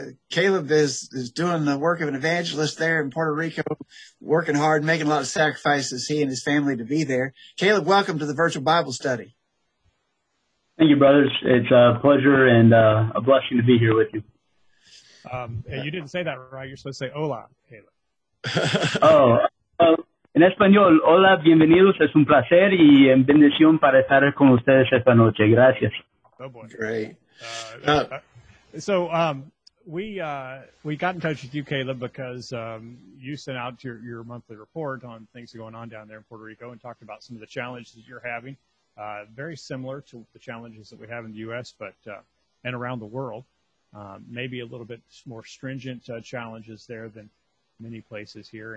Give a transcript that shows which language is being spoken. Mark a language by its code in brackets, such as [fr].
[en] Caleb is doing the work of an evangelist there in Puerto Rico, working hard, making a lot of sacrifices, he and his family, to be there. Caleb, welcome to the Virtual Bible Study. Thank you, brothers. It's a pleasure and a blessing to be here with you. You didn't say that right. You're supposed to say hola, Caleb. [es] Oh, en español, hola, bienvenidos. Es un placer y en bendición para estar con ustedes esta noche. Gracias. [en] Oh, boy. Great. So we got in touch with you, Caleb, because you sent out your monthly report on things going on down there in Puerto Rico and talked about some of the challenges that you're having, very similar to the challenges that we have in the U.S. but around the world, maybe a little bit more stringent challenges there than many places here.